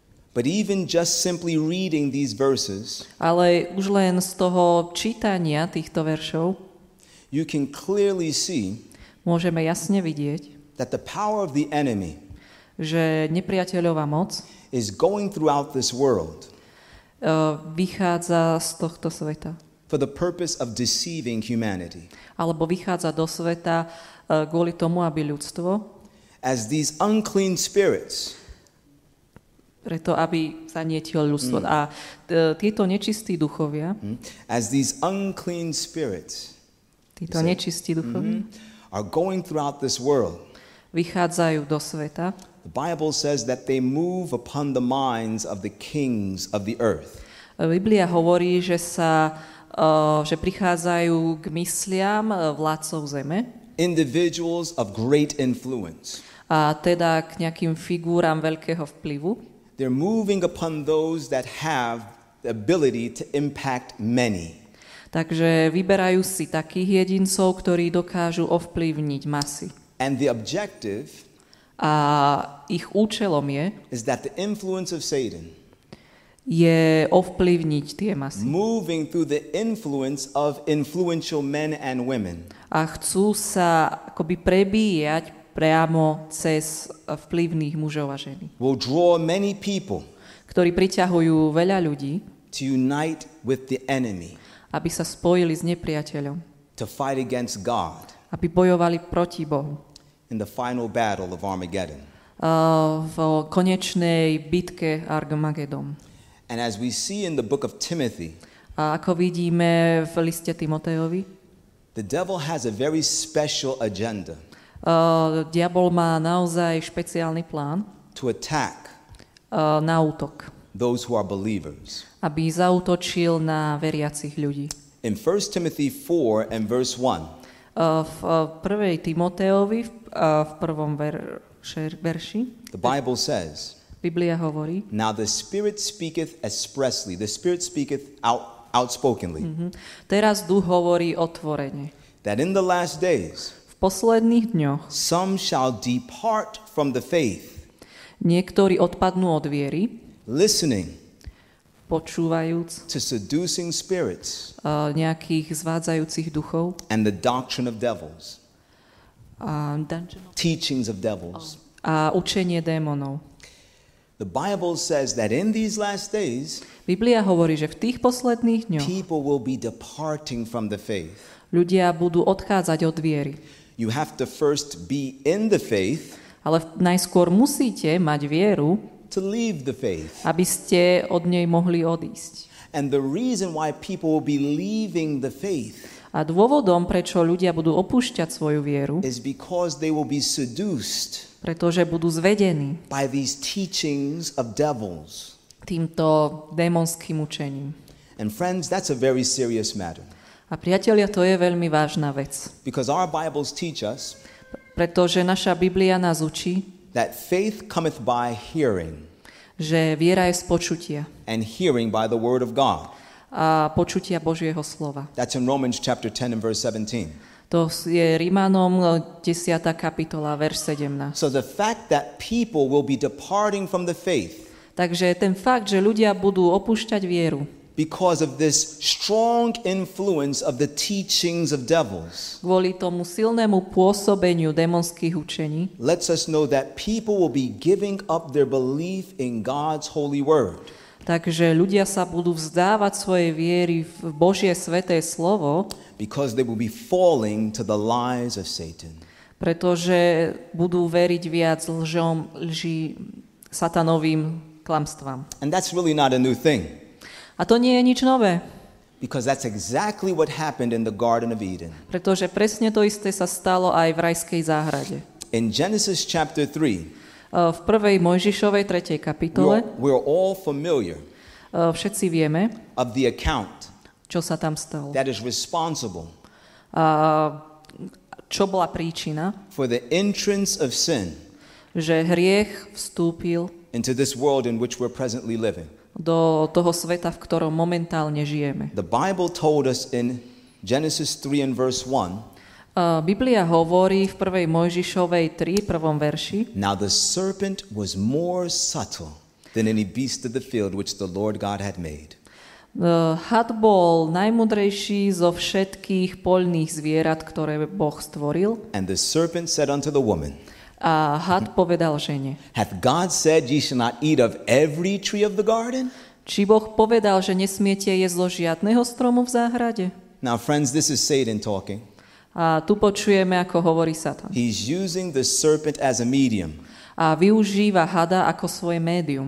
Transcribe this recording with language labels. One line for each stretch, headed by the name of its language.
English: But even just simply reading these verses,
Slovak: ale už len z toho čítania týchto veršov,
English: you can clearly see,
Slovak: môžeme jasne vidieť,
English: that the power of the enemy,
Slovak: že nepriateľová moc,
English: is going throughout this world,
Slovak: vychádza z tohto sveta,
English: for the purpose of deceiving humanity,
Slovak: alebo vychádza do sveta kvôli tomu, aby ľudstvo,
English: as these unclean spirits,
Slovak: preto aby zanietil ľudstvo. A tieto nečistí duchovia,
English: as these unclean spirits,
Slovak: títo nečistí duchovia,
English: are going throughout this world,
Slovak: vychádzajú do sveta.
English: The Bible says that they move upon the minds of the kings of the earth.
Slovak: Biblia hovorí, že sa že prichádzajú k mysliam vládcov zeme.
English: Individuals of great influence.
Slovak: A teda k nejakým figurám veľkého vplyvu.
English: They're moving upon those that have the ability to impact many.
Slovak: Takže vyberajú si takých jedincov, ktorí dokážu ovplyvniť masy.
English: And the objective,
Slovak: a ich účelom je,
English: is that the influence of Satan,
Slovak: je ovplyvniť tie masy.
English: Moving through the influence of influential men and women.
Slovak: A chcú sa akoby prebíjať priamo cez vplyvných mužov a ženy.
English: Will draw many people,
Slovak: ktorí priťahujú veľa ľudí,
English: to unite with the enemy,
Slovak: aby sa spojili s nepriateľom,
English: to fight against God,
Slovak: aby bojovali proti Bohu,
English: in the final battle of Armageddon,
Slovak: v konečnej bitke Armagedon.
English: And as we see in the book of Timothy,
Slovak: a ako vidíme v liste Timoteovi,
English: the devil has a very special agenda.
Slovak: Diabol má naozaj špeciálny plán.
English: To attack.
Slovak: Na útok.
English: Those who are believers.
Slovak: Aby zaútočil na veriacich ľudí.
English: In 1 Timothy 4 and verse 1.
Slovak: V 1. Timoteovi v prvom verši.
English: The Bible says.
Slovak: Biblia hovorí.
English: Now the Spirit speaketh expressly. The Spirit speaketh outspokenly.
Slovak: Teraz Duch hovorí otvorene.
English: That in the last days,
Slovak: v posledných dňoch,
English: some shall depart from the faith,
Slovak: niektorí odpadnú od viery,
English: listening,
Slovak: počúvajúc,
English: to seducing spirits,
Slovak: nejakých zvádzajúcich duchov,
English: and the doctrine of devils, teachings of devils,
Slovak: a učenie démonov.
English: The Bible says that in these last days,
Slovak: Biblia hovorí, že v tých posledných dňoch,
English: people will be departing from the faith,
Slovak: ľudia budú odchádzať od viery.
English: You have to first be in the faith,
Slovak: ale najskôr musíte mať vieru,
English: to leave the faith,
Slovak: aby ste od nej mohli odísť.
English: And the reason why people will be leaving the faith.
Slovak: A dôvodom, prečo ľudia budú opúšťať svoju vieru,
English: is because they will be seduced.
Slovak: Pretože budú zvedení.
English: By these teachings of devils.
Slovak: Týmto démonským učením.
English: And friends, that's a very serious matter.
Slovak: A priatelia, to je veľmi vážna vec.
English: Because our Bibles teach us.
Slovak: Pretože naša Biblia nás učí.
English: That faith cometh by hearing.
Slovak: Že viera je z počutia.
English: And hearing by the word of God.
Slovak: A počutia Božieho slova.
English: That's in Romans chapter 10 and verse 17.
Slovak: To je Rimanom 10. kapitola, verš 17.
English: So the fact that people will be departing from the faith.
Slovak: Takže ten fakt, že ľudia budú opúšťať vieru.
English: Because of this strong influence of the teachings of devils.
Slovak: Kvôli tomu silnému pôsobeniu démonských učení.
English: Lets us know that people will be giving up their belief in God's holy word.
Slovak: Takže ľudia sa budú vzdávať svojej viery v Božie sväté slovo.
English: Because they will be falling to the lies of Satan.
Slovak: Pretože budú veriť viac lžom, lži satanovým klamstvám.
English: And that's really not a new thing.
Slovak: A to nie je nič nové.
English: Because that's exactly what happened in the Garden of Eden.
Slovak: Pretože presne to isté sa stalo aj v rajskej záhrade.
English: In Genesis chapter 3.
Slovak: V prvej Mojžišovej 3. kapitole.
English: We're all familiar.
Slovak: Všetci vieme.
English: Of the account.
Slovak: Čo sa tam stalo.
English: That is responsible.
Slovak: Čo bola príčina?
English: For the entrance of sin.
Slovak: Že hriech vstúpil.
English: Into this world in which we're presently living.
Slovak: Do toho sveta, v ktorom momentálne žijeme.
English: The Bible told us in Genesis 3 and verse 1.
Slovak: Biblia hovorí v 1. Mojžišovej 3, prvom verši.
English: Now the serpent was more subtle than any beast of the field which the Lord God had made.
Slovak: Had bol najmudrejší zo všetkých poľných zvierat, ktoré Boh stvoril.
English: And the serpent said unto the woman.
Slovak: A had povedal žene.
English: Hath God said ye shall not eat of every tree of the garden?
Slovak: Či Boh povedal, že nesmiete jesť zo žiadného stromu v záhrade?
English: Now friends, this is Satan talking.
Slovak: A tu počujeme, ako hovorí Satan.
English: He's using the serpent as a medium.
Slovak: A využíva hada ako svoje médium.